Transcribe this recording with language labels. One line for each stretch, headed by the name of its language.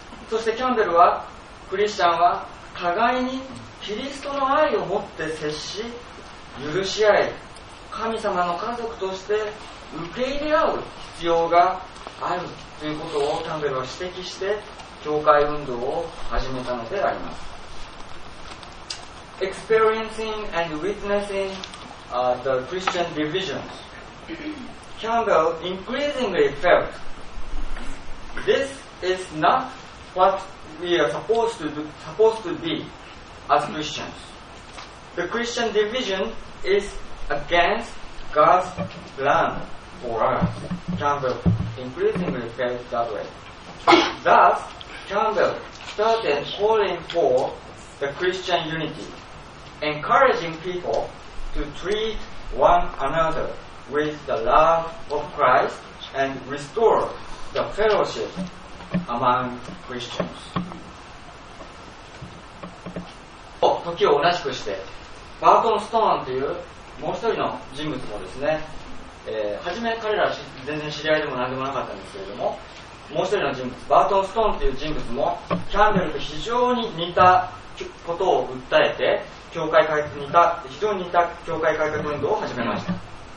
Japanese: そしてキャンベルは、クリスチャンは互いにキリストの愛を持って接し、許し合い、神様の家族として受け入れ合う必要があるということをキャンベルは指摘して、教会運動を始めたのであります。
English: experiencing and witnessing the Christian divisions, Campbell increasingly felt this is not what we are supposed to be as Christians. The Christian division is against God's plan for us. Campbell increasingly felt that way. Thus, Campbell started calling for the Christian unity, encouraging people to treat one another with the love of Christ and restore the fellowship among Christians.
Japanese: 時を同じくしてバートン・ストーンというもう一人の人物もですね、初め彼ら全然知り合いでも何でもなかったんですけれども、もう一人の人物バートン・ストーンという人物もキャンベルと非常に似たことを訴えて教会改革非常に似た教会改革運動を始めました。